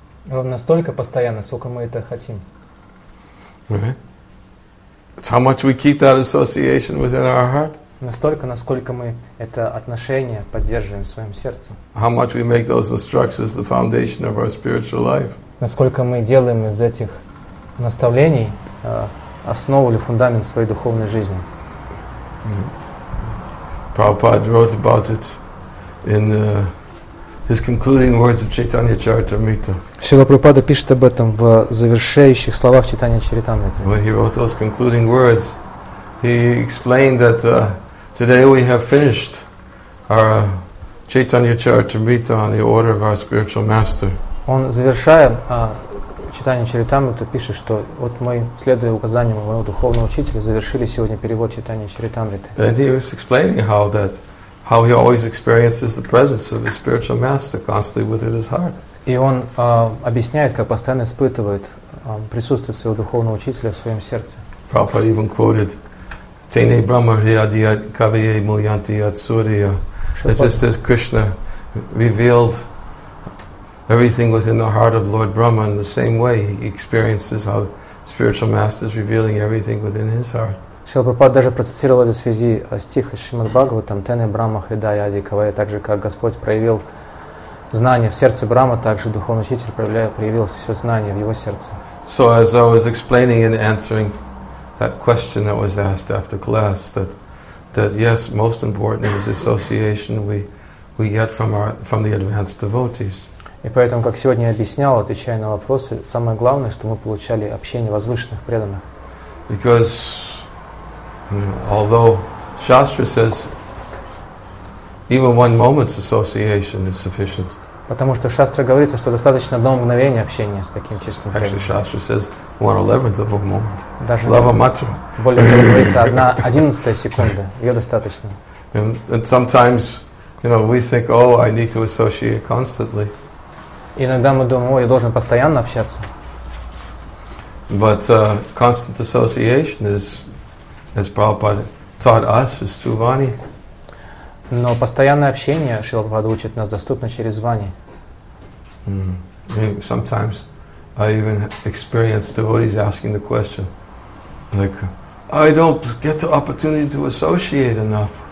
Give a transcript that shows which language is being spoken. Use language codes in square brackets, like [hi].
[ru] Ровно столько постоянно, сколько мы это хотим. [en] It's how much we keep that association within our heart. [ru] Настолько, насколько мы это отношение поддерживаем в своем сердце. [en] How much we make those instructions the foundation of our spiritual life. [ru] Насколько мы делаем из этих наставлений основу или фундамент своей духовной жизни. [en] Prabhupada wrote about it in his concluding words of Chaitanya Charitamrita. [ru] Шрила Прабхупада пишет об этом в завершающих словах Чайтанья Чаритамриты. [en] When he wrote those concluding words, he explained that today we have finished our Chaitanya Charitamrita on the order of our spiritual master. [ru] Он завершая читание Чаритамриты пишет, что вот мы, следуя указаниям моего духовного учителя, завершили сегодня перевод читания Чаритамриты. [en] And he was explaining how he always experiences the presence of his spiritual master constantly within his heart. [ru] И он объясняет, как постоянно испытывает присутствие своего духовного учителя в своем сердце. [en] Prabhupada even quoted [sa] Tene Brahma Hriyadiya Kaviye Mulyanti Yat Surya. [en] It's just as Krishna revealed everything within the heart of Lord Brahma in the same way he experiences how the spiritual master is revealing everything within his heart. [ru] Шрила Прабхупада даже процитировал это в связи с стихом Шримад Бхагаватам [sa] Тене Брахма Хридаяди Кавая, [ru] так же как Господь проявил знание в сердце Брахма, так же духовный учитель проявил все знание в его сердце. [en] So as I was explaining and answering that question that was asked after class, that yes, most important is association we get from the advanced devotees. [ru] И поэтому, как сегодня я объяснял, отвечая на вопросы, самое главное, что мы получали общение возвышенных преданных. [en] Because, although Shastra says, even one moment's association is sufficient. [ru] Потому что Шастра говорит, что достаточно одного мгновения общения с таким чистым преданным. [en] Actually, Shastra says one 11th of a moment. [ru] Даже [sa] Lava Matra. [ru] Более того, говорится, одна 11-я секунда, ее достаточно. [en] And sometimes, you know, we think, oh, I need to associate constantly. [ru] Иногда мы думаем, ой, я должен постоянно общаться. [en] But constant association is, as Prabhupada taught us, is through Vani. Но постоянное общение Шрила Прабхупада учит нас доступно через Вани. Mm. Sometimes I even experience devotees asking the question, like, I don't get the opportunity to associate enough.